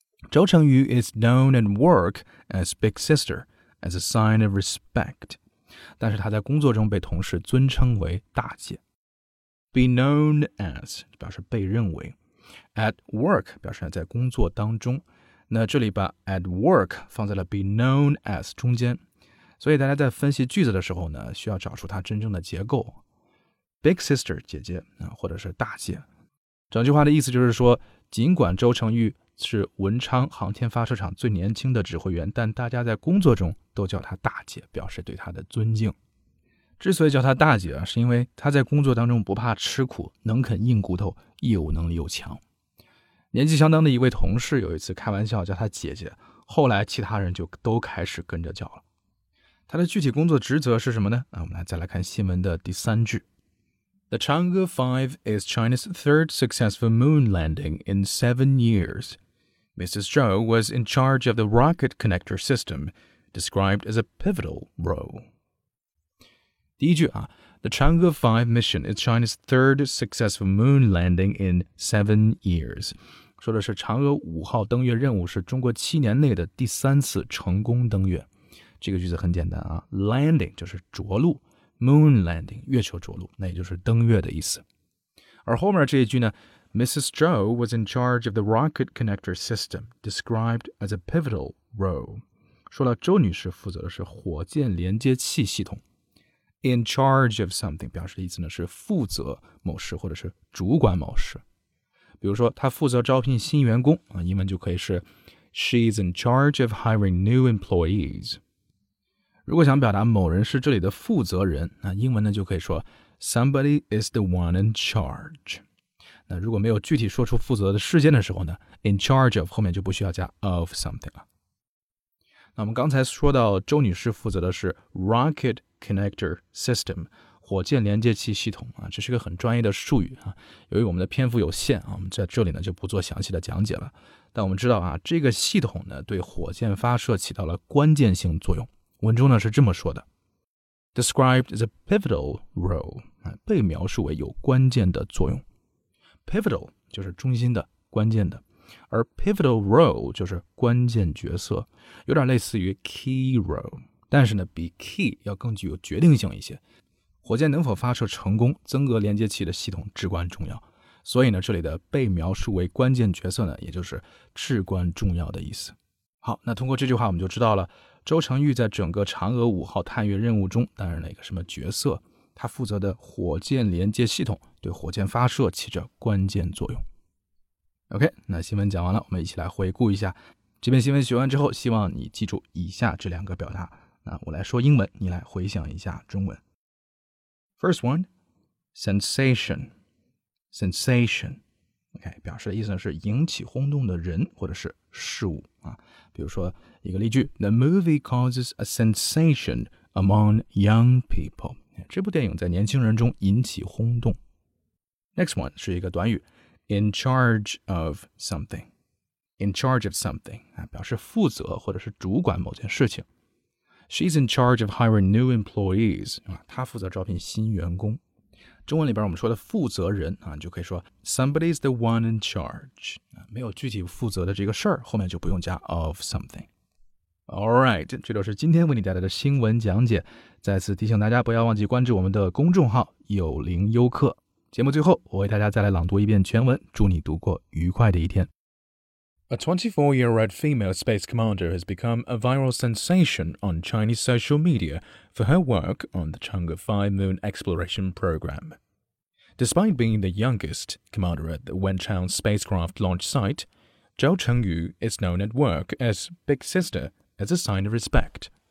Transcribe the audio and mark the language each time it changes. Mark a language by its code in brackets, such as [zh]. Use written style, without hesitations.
[en] 周成宇 is known at work as Big Sister, as a sign of respect. [zh] 但是他在工作中被同事尊称为大姐。 [en] Be known as, [zh] 表示被认为。 [en] At work, [zh] 表示在工作当中。那这里把 [en] at work [zh] 放在了 [en] be known as [zh] 中间。所以大家在分析句子的时候呢，需要找出它真正的结构。 Big Sister, 姐姐、啊、或者是大姐。整句话的意思就是说，尽管周成宇是文昌航天发射场最年轻的指挥员，但大家在工作中都叫他大姐，表示对他的尊敬。之所以叫他大姐、啊、是因为他在工作当中不怕吃苦，能啃硬骨头，业务能力又强。年纪相当的一位同事有一次开玩笑叫他姐姐，后来其他人就都开始跟着叫了。他的具体工作职责是什么呢？我们来再来看新闻的第三句。 [en] The Chang'e 5 is China's third successful moon landing in 7 years. Mrs. Zhou was in charge of the rocket connector system, described as a pivotal role. 第一句啊 ,The Chang'e 5 mission is China's third successful moon landing in 7 years. [zh] 说的是嫦娥五号登月任务是中国七年内的第三次成功登月。这个句子很简单啊 ,landing 就是着陆。 [en] Moon landing, [zh] 月球着陆，那也就是登月的意思。而后面这一句呢 ,Mrs. [en] Zhou was in charge of the rocket connector system, described as a pivotal role. [zh] 说了周女士负责的是火箭连接器系统。 [en] In charge of something, [zh] 表示的意思呢是负责某事或者是主管某事。比如说她负责招聘新员工、啊、英文就可以是 [en] She's in charge of hiring new employees. [zh] 如果想表达某人是这里的负责人，那英文呢就可以说 [en] Somebody is the one in charge. [zh] 那如果没有具体说出负责的事件的时候呢 [en] in charge of [zh] 后面就不需要加 [en] of something [zh] 了。那我们刚才说到周女士负责的是 [en] rocket connector system, [zh] 火箭连接器系统、啊、这是个很专业的术语、啊、由于我们的篇幅有限、啊、我们在这里呢就不做详细的讲解了。但我们知道啊，这个系统呢对火箭发射起到了关键性作用。文中呢是这么说的 [en] Described as a pivotal role [zh] 被描述为有关键的作用 Pivotal 就是中心的关键的而 [en] pivotal role [zh] 就是关键角色有点类似于 [en] key role [zh] 但是呢比 key 要更具有决定性一些火箭能否发射成功增额连接器的系统至关重要所以呢这里的被描述为关键角色呢也就是至关重要的意思好那通过这句话我们就知道了周成宇在整个嫦娥五号探月任务中担任了一个什么角色他负责的火箭连接系统对火箭发射起着关键作用。 OK, 那新闻讲完了我们一起来回顾一下。这篇新闻学完之后希望你记住以下这两个表达。那我来说英文你来回想一下中文。 [en] First one, sensation. Sensation. [zh] Okay, 表示的意思是引起轰动的人或者是事物、啊、比如说一个例句 [en] The movie causes a sensation among young people [zh] 这部电影在年轻人中引起轰动 [en] Next one [zh] 是一个短语 [en] In charge of something In charge of something、 [zh] 啊、表示负责或者是主管某件事情 [en] She's in charge of hiring new employees、 [zh] 啊、她负责招聘新员工中文里边我们说的负责人、啊、就可以说 [en] Somebody is the one in charge、 [zh] 啊、没有具体负责的这个事儿后面就不用加 [en] of something Alright [zh] 这就是今天为你带来的新闻讲解再次提醒大家不要忘记关注我们的公众号有灵优客节目最后我为大家再来朗读一遍全文祝你度过愉快的一天 [en] A 24-year-old female space commander has become a viral sensation on Chinese social mediaFor her work on the Chang'e 5 moon exploration program. Despite being the youngest commander at the Wenchang spacecraft launch site, Zhou Chengyu is known at work as Big Sister as a sign of respect.